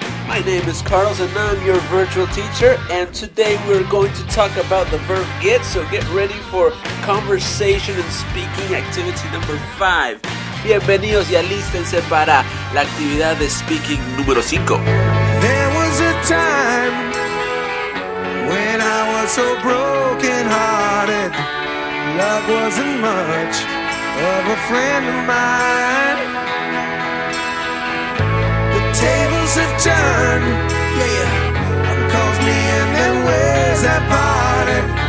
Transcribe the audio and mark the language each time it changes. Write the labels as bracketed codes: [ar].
[en] My name is Carlos and I'm your virtual teacher, and today we're going to talk about the verb get, so get ready for conversation and speaking activity number 5. [es] Bienvenidos y alístense para la actividad de speaking número 5. [en] There was a time when I was so broken hearted. Love wasn't much of a friend of mine. Tables have turned, yeah. One calls me and then where's that party?